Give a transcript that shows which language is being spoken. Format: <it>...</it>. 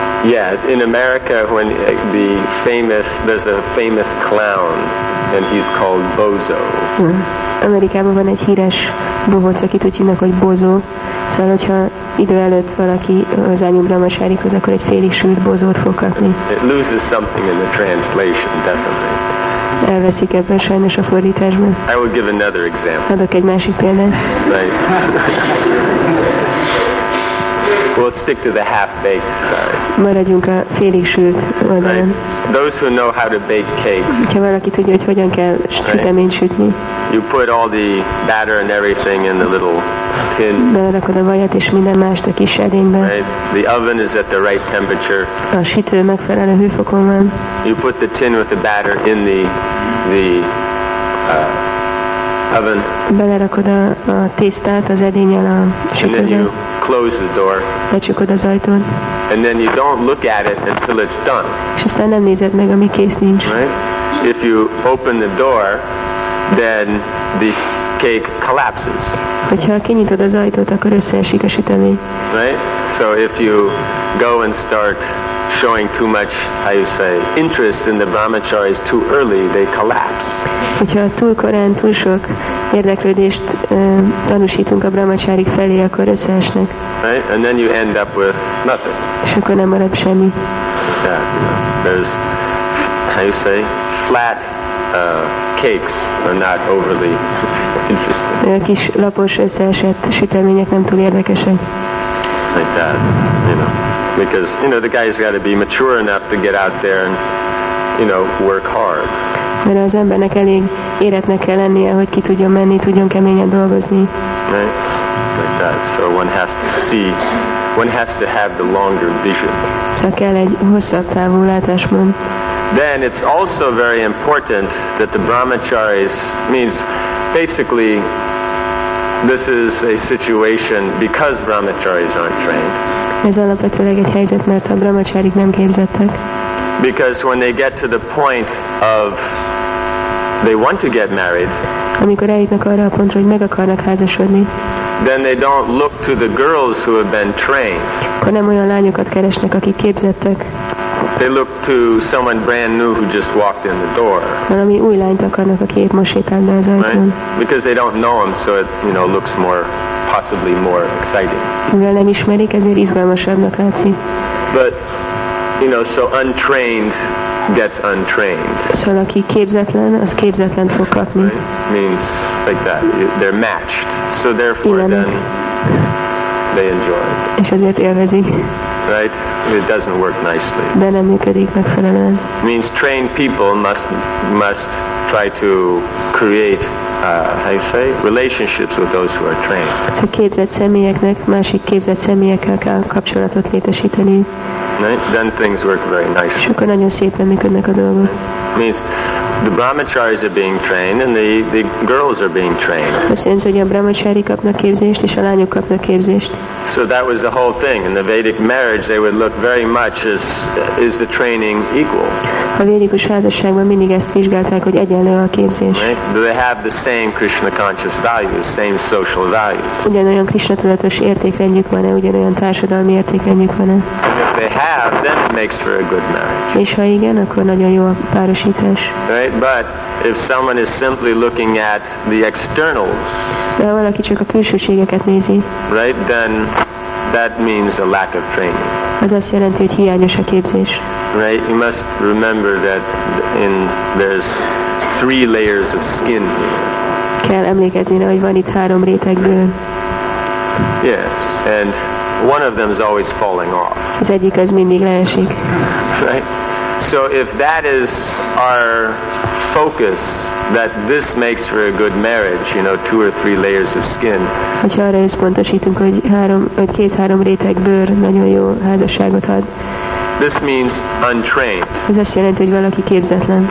<en>Yeah, in America, when the famous, there's a famous clown, and he's called Bozo.</en> <hu>Amerikában van egy híres bohóc, akit úgy hívnak, hogy Bozo. Szóval, hogyha idő előtt valaki az ányú brahmacharihoz, akkor egy félig sült bozót fog kapni.</hu> <en>It loses something in the translation, definitely.</en> <hu>Elveszik ebben sajnos a fordításban.</hu> <en>I will give another example.</en> <hu>Adok egy másik példát.</hu> <en>Right. We'll stick to the half-baked side.</en> <hu>Maradjunk a félig sült oldalon.</hu> <en>Right. Those who know how to bake cakes.</en> <hu>Ha valaki tudja, hogy hogyan kell süteményt sütni.</hu> <en>You put all the batter and everything in the little tin.</en> <hu>Belerakod a vajat és minden mást a kis edénybe.</hu> <en>Right. The oven is at the right temperature.</en> <hu>A sütő megfelelő hőfokon van.</hu> <en>You put the tin with the batter in the oven.</en> <hu>Belerakod a tésztát az edénnyel a sütőbe.</hu> <en>Close the door.</en> <hu>Becsukod az ajtót.</hu> <en>And then you don't look at it until it's done.</en> <hu>És aztán nem nézed meg, amíg kész nincs.</hu> <en>Right? If you open the door, then the cake collapses.</en> <hu>Hogyha kinyitod az ajtót, akkor összeesik a sütemény.</hu> <en>Right? So if you go and start showing too much, how you say, interest in the brahmacharis too early, they collapse.</en> <hu>Hogyha túl korán, túl sok érdeklődést tanúsítunk a brahmacharik felé, akkor összeesnek.</hu> <en>Right? And then you end up with nothing.</en> <hu>És akkor nem marad semmi.</hu> <en>Yeah, there's, how you say, flat cakes are not overly interesting.</en> <hu>A kis lapos összeesett sütemények nem túl érdekesek.</hu> <en>Like that, you know. Because, you know, the guy's got to be mature enough to get out there and, you know, work hard.</en> <hu>Mert az embernek elég éretnek kell lennie, hogy ki tudjon menni, tudjon keményen dolgozni.</hu> <en>Right? Like that. So one has to see, one has to have the longer vision.</en> <hu>Szóval kell egy hosszabb távú látásmód.</hu> <en>Then it's also very important that the brahmacharis means basically this is a situation because brahmacharis aren't trained.</en> <hu>Ez alapvetőleg egy helyzet, mert a brahmacharik nem képzettek.</hu> <en>Because when they get to the point of they want to get married,</en> <hu>amikor eljutnak arra a pontra, hogy meg akarnak házasodni,</hu> <en>then they don't look to the girls who have been trained.</en> <hu>Akkor nem olyan lányokat keresnek, akik képzettek.</hu> <en>They look to someone brand new who just walked in the door.</en> <hu>Valami új lányt akarnak, aki épp most sétált be az ajtón.</hu> <en>Right? Because they don't know him, so it, you know, looks more, possibly more exciting.</en> <hu>Mivel nem ismerik, ezért izgalmasabbnak látszik.</hu> <en>But, you know, so untrained gets untrained.</en> <hu>Szóval aki képzetlen, az képzetlent fog kapni.</hu> <en>Right? Means like that. They're matched. So therefore</en> <hu>Ilenek.</hu> <en>Then they enjoy.</en> <hu>És ezért élvezik.</hu> <en>Right? It doesn't work nicely.</en> <hu>De nem működik megfelelően.</hu> <en>Means trained people must try to create how you say relationships with those who are trained.</en> <hu>A képzett személyeknek másik képzett személyekkel kell kapcsolatot létesíteni.</hu> <en>Then things work very nicely.</en> <hu>Sokan nagyon szépen működnek a dolgok.</hu> <en>Means the brahmacharis are being trained and the girls are being trained.</en> <hu>Azt jelenti, hogy a brahmacharik kapnak képzést és a lányok kapnak képzést.</hu> <en>So that was the whole thing in the Vedic marriage. They would look very much as is the training equal.</en> <hu>A védikus házasságban mindig ezt vizsgálták, hogy egyenlő a képzés.</hu> <en>Right? Do they have the same Krishna conscious values, same social values?</en> <hu>Ugyanolyan Krishna tudatos értékrendjük van-e, ugyanolyan társadalmi értékrendjük van-e?</hu> <en>Have, then it makes for a good marriage.</en> <hu>És ha igen, akkor nagyon jó a párosítás.</hu> <en>Right? But if someone is simply looking at the externals,</en> <hu>de ha valaki csak a külsőségeket nézi,</hu> <en>right? Then that means a lack of training.</en> <hu>Az azt jelenti, hogy hiányos a képzés.</hu> <en>Right? You must remember that in there's three layers of skin.</en> <hu>Kell emlékezni, hogy van itt három réteg bőr.</hu> <en>Yeah, and one of them is always falling off.</en> <hu>Az egyik az mindig leesik.</hu> <en>Right? So if that is our focus, that this makes for a good marriage, you know, two or three layers of skin.</en> <hu>Hogyha arra összpontosítunk, hogy két-három réteg bőr nagyon jó házasságot ad.</hu> <en>This means untrained.</en> <hu>Ez azt jelenti, hogy valaki képzetlen.</hu>